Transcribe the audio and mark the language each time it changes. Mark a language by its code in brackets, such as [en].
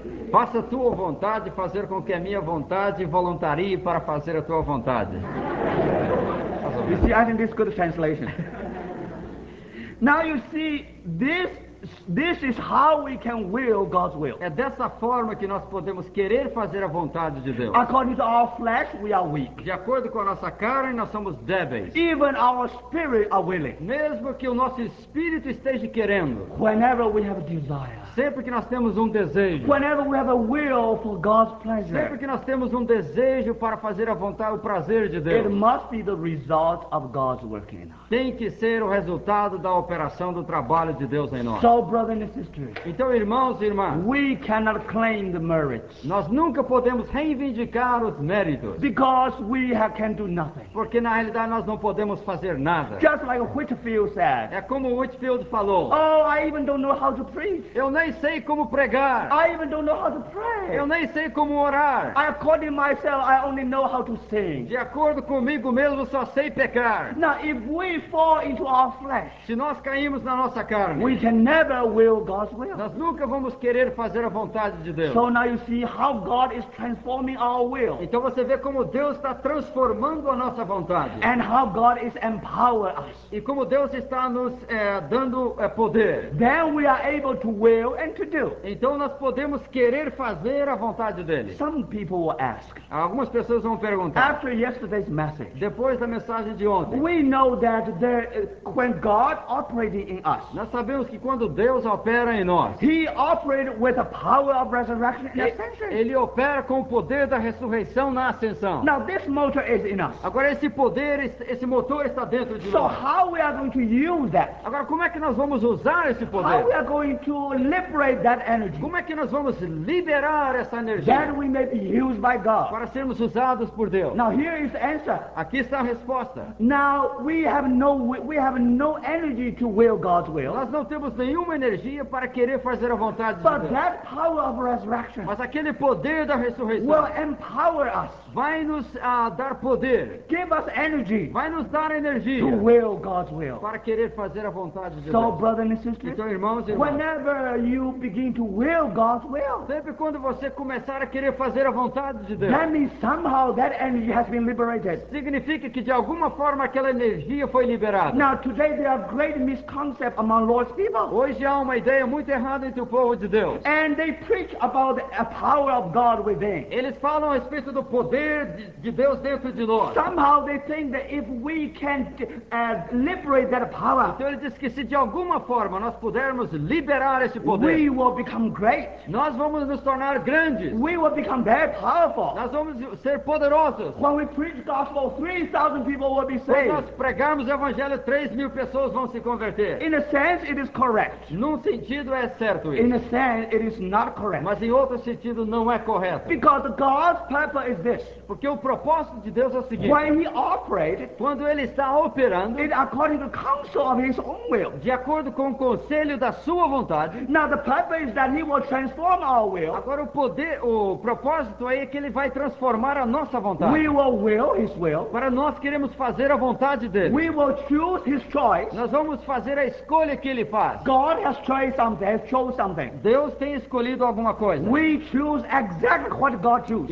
[pt] Faça a tua vontade fazer com que a minha vontade voluntarie para fazer a tua vontade. [en] You see, I think this is good translation. Now you see, this is how we can will God's will. [pt] É dessa forma que nós podemos querer fazer a vontade de Deus. [en] According to our flesh, we are weak. [pt] De acordo com a nossa carne, nós somos débeis. [en] Even our spirit are willing. [pt] Mesmo que o nosso espírito esteja querendo. [en] Whenever we have a desire. [pt] Sempre que nós temos um desejo. [en] Whenever we have a will for God's pleasure. [pt] Sempre que nós temos um desejo para fazer a vontade, o prazer de Deus. [en] It must be the result of God's work in us. [pt] Tem que ser o resultado da operação do trabalho de Deus em nós. [en] So, brothers and sisters. [pt] Então, irmãos e irmãs. [en] We cannot claim the merits. [pt] Nós nunca podemos reivindicar os méritos. [en] Because we can do nothing. [pt] Porque na realidade nós não podemos fazer nada. [en] Just like Whitfield said. [pt] É como Whitfield falou. [en] Oh, I even don't know how to preach. [pt] Eu nem sei como pregar. [en] I even don't know how to pray. [pt] Eu nem sei como orar. [en] According to myself, I only know how to sing. [pt] De acordo comigo mesmo, só sei pecar. [en] Now, if we fall into our flesh, [pt] se nós caímos na nossa carne, [en] we can never will God's will. [pt] Nós nunca vamos querer fazer a vontade de Deus. [en] So now you see how God is transforming our will. [pt] Então você vê como Deus está transformando a nossa vontade. [en] And how God is empowering us. [pt] E como Deus está nos dando poder. [en] Then we are able to will. And to do. [pt] Então nós podemos querer fazer a vontade dele. [en] Some people will ask. [pt] Algumas pessoas vão perguntar. [en] After yesterday's message. [pt] Depois da mensagem de ontem. [en] We know that there, when God operated in us. [pt] Nós sabemos que quando Deus opera em nós. [en] He operated with the power of resurrection and ascension. [pt] Ele opera com o poder da ressurreição na ascensão. [en] Now this motor is in us. [pt] Agora esse poder, esse motor está dentro de [en] so [pt] nós. [en] So how we are going to use that? [pt] Agora como é que nós vamos usar esse poder? [en] How we are going to liberate that energy. [pt] Como é que nós vamos liberar essa energia? [en] That we may be used by God. [pt] Para sermos usados por Deus. [en] Now here is the answer. [pt] Aqui está a resposta. [en] Now we have no energy to will God's will. [pt] Nós não temos nenhuma energia para querer fazer a vontade [en] but [pt] de Deus. [en] That power of resurrection. [pt] Mas aquele poder da ressurreição. [en] Will empower us. [pt] Vai nos dar poder. [en] Give us energy. [pt] Vai nos dar energia. [en] To will God's will. [pt] Para querer fazer a vontade de [en] so, [pt] Deus. [en] So brothers and sisters. [pt] Então irmãos e [en] irmãs. Whenever you begin to will God's will. [pt] Sempre quando você começar a querer fazer a vontade de Deus. [en] That means somehow that energy has been liberated. [pt] Significa que de alguma forma aquela energia foi liberada. [en] Now today there are great misconceptions among Lord's people. [pt] Hoje há uma ideia muito errada entre o povo de Deus. [en] And they preach about the power of God within. [pt] Eles falam a respeito do poder de Deus dentro de nós. [en] Somehow they think that if we can liberate that power. [pt] Então eles dizem que se de alguma forma nós pudermos liberar esse poder. [en] We will become great. [pt] Nós vamos nos tornar grandes. [en] We will become very powerful. [pt] Nós vamos ser poderosos. [en] When we preach the gospel, 3,000 people will be saved. [pt] Quando nós pregarmos o evangelho, 3,000 pessoas vão se converter. [en] In a sense, it is correct. [pt] Num sentido é certo isso. [en] In a sense, it is not correct. [pt] Mas em outro sentido não é correto. [en] Because God's purpose is this. [pt] Porque o propósito de Deus é o seguinte. [en] When he operated, [pt] quando ele está operando, [en] it according to the counsel of his own will. [pt] De acordo com o conselho da sua vontade. [en] Now the purpose is that he will transform our will. [pt] Agora o propósito aí é que ele vai transformar a nossa vontade. [en] We will will his will. [pt] Para nós queremos fazer a vontade dele. [en] We will choose his choice. [pt] Nós vamos fazer a escolha que ele faz. [en] God has chosen something. [pt] Deus tem escolhido alguma coisa. [en] We choose exactly what God chose.